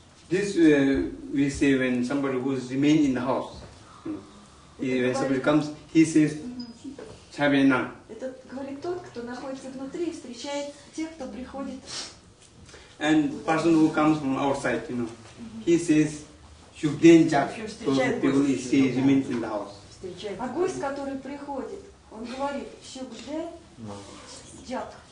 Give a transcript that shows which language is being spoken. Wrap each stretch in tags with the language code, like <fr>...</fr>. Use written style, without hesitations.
<en>This we say when somebody who's remain in the house, you know, when somebody comes, he says, "Chabena."</en> <ru>Это говорит тот, кто находится внутри и встречает тех, кто приходит.</ru> <en>And person who comes from outside, you know, he says, "Shukden chab." So people he say remain in the house.</en> <ru>А гость, который приходит, он говорит, "Shukden chab."</ru>